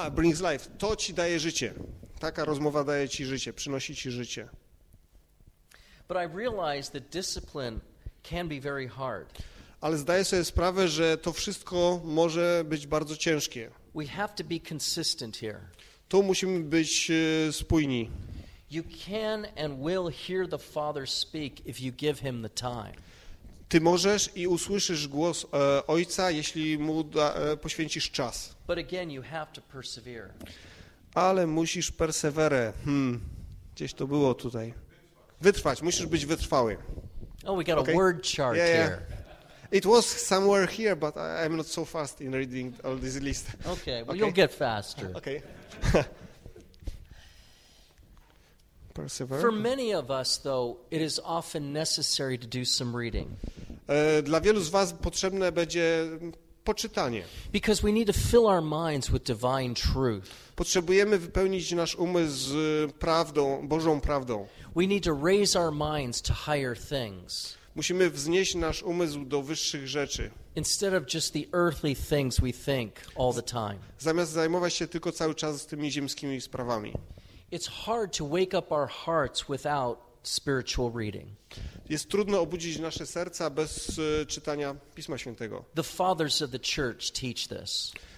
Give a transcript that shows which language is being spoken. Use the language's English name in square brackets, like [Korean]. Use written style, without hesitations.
[English] Brings life. [Polish] To ci daje życie. Taka rozmowa daje ci życie, przynosi ci życie. [English] But I realize that discipline can be very hard. [Polish] Ale zdaję sobie sprawę, że to wszystko może być bardzo ciężkie. [English] We have to be consistent here. [Polish] Tu musimy być spójni. [English] You can and will hear the Father speak if you give him the time. [Polish] Ty możesz i usłyszysz głos Ojca, jeśli mu poświęcisz czas. [English] But again, you have to persevere. [Polish] Ale musisz perseverę. Gdzieś to było tutaj. Wytrwać, musisz być wytrwały. [English] Oh, we got a word chart here. It was somewhere here, but I'm not so fast in reading all this list. Okay, well, you'll get faster. Okay. compulsive. For many of us though, it is often necessary to do some reading. [Polish] Dla wielu z was potrzebne będzie poczytanie. [English] Because we need to fill our minds with divine truth. [Polish] Potrzebujemy wypełnić nasz umysł z prawdą, Bożą prawdą. [English] We need to raise our minds to higher things. [Polish] Musimy wznieść nasz umysł do wyższych rzeczy. [English] Instead of just the earthly things we think all the time. [Polish] Zamiast zajmować się tylko cały czas tymi ziemskimi sprawami. [English] It's hard to wake up our hearts without spiritual reading. [Polish] Jest trudno obudzić nasze serca bez czytania Pisma Świętego. [English] The fathers of the church teach this.